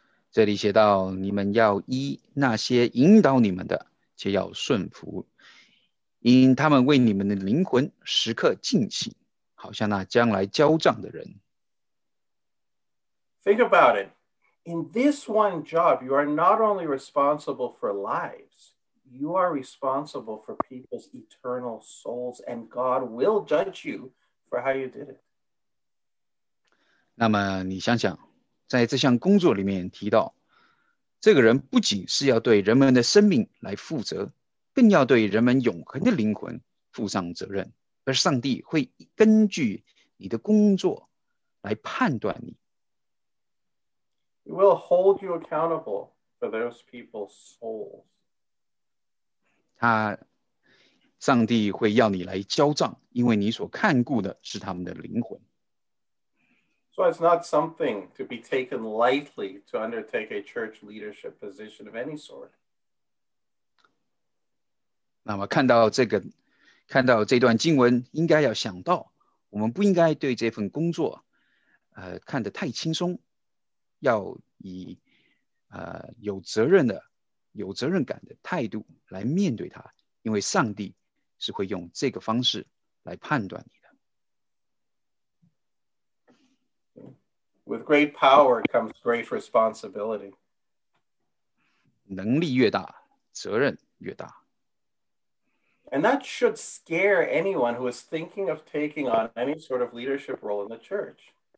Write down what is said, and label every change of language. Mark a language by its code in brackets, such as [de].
[zh] 这里写到，你们要依那些引导你们的，且要顺服，因他们为你们的灵魂时刻尽醒，好像那将来交账的人。 [en] Think about it. In this one job, you are not only responsible for lives, you are responsible for people's eternal souls, and God will judge you for how you did it. [zh] 那么你想想，在这项工作里面提到，这个人不仅是要对人们的生命来负责，更要对人们永恒的灵魂负上责任，而上帝会根据你的工作来判断你。 [en] He will hold you accountable for those people's souls. [zh] 他，上帝会要你来交账，因为你所看顾的是他们的灵魂。 [en] So it's not something to be taken lightly to undertake a church leadership position of any sort. [zh] 那么看到这个，看到这段经文，应该要想到，我们不应该对这份工作，看得太轻松，要以有责任的、有责任感的态度来面对它，因为上帝是会用这个方式来判断你。 [en] With great power comes great responsibility. [zh] 能力越大，责任越大。 [en] And that should scare anyone who is thinking of taking on any sort of leadership role in the church.